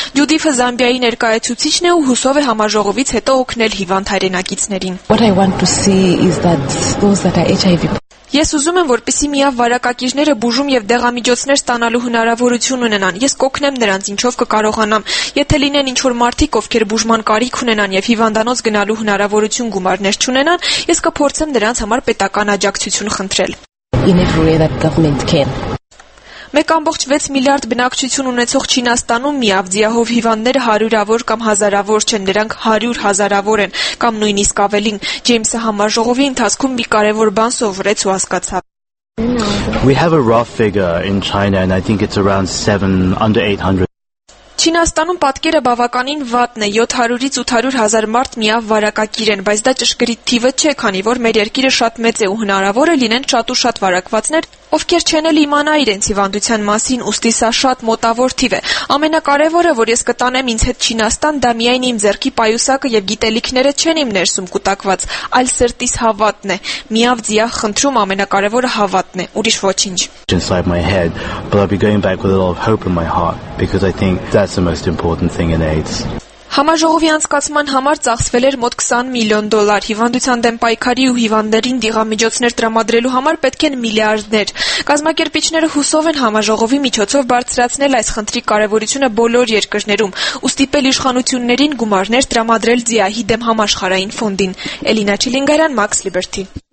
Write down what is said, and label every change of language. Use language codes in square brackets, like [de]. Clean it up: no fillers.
[hy] Ջուդիֆը Զամբիայի ներկայացուցիչն է ու հուսով է համաժողովից հետո օգնել հիվանդ հայրենակիցներին։ Ես ուզում եմ, որպեսզի միա վարակակիրները բուժում եւ դեղամիջոցներ ստանալու հնարավորություն ունենան։ Ես կօգնեմ նրանց, ինչով կկարողանամ։ Եթե լինեն ինչ-որ մարդիկ, ովքեր բուժման կարիք ունենան եւ հիվանդանոց գնալու հնարավորություն գումարներ չունենան, ես կփորձեմ նրանց համար պետական աջակցություն խնդրել։ Մեկ 1.6 միլիարդ բնակչություն ունեցող Չինաստանում միավ ձիահով հիվանդները հարյուրավոր կամ հազարավոր չեն, նրանք 100 հազարավոր են կամ նույնիսկ ավելին։ Ջեյմսը համաժողովի ընթացքում մի կարևոր բան սովորեց ու հասկացավ. [en] We have a rough figure in China and I think it's around 700 under 800. [hy] Չինաստանում պատկերը բավականին վատն է, 700-ից 800 հազար մարդ միավ վարակակիր են, բայց դա ճշգրիտ թիվը չէ, քանի որ մեր երկիրը շատ մեծ է ու հնարավոր է լինեն շատ ու շատ վարակվածներ, ովքեր չեն էլ իմանա իրենց հիվանդության մասին, ուստի սա շատ մոտավոր թիվ է։ Ամենակարևորը, որ ես կտանեմ ինձ հետ Չինաստան, դա միայն իմ ձեռքի պայուսակը և գիտելիքները չեն իմ ներսում կուտակված, այլ սրտիս հավատն է, միավ ձիա խնդրում ամենակարևորը հավատն է, ուրիշ ոչինչ։ [en] Inside my head, but I'll be going back with a lot of hope in my heart because I think that's the most important thing in AIDS. [hy] Համաժողովի անցկացման համար ծախսվել էր մոտ $20 միլիոն. Հիվանդության դեմ պայքարի ու հիվանդերին դիղամիջոցներ տրամադրելու համար պետք են միլիարդներ։ Կազմակերպիչները հուսով են համաժողովի միջոցով բարձրացնել այս խնդրի կարևորությունը բոլոր երկրներում ու ստիպել իշխանություններին գումարներ տրամադրել ձիահի դեմ համաշխարային ֆոնդին։ Էլինա Չիլինգարյան, Max Liberty.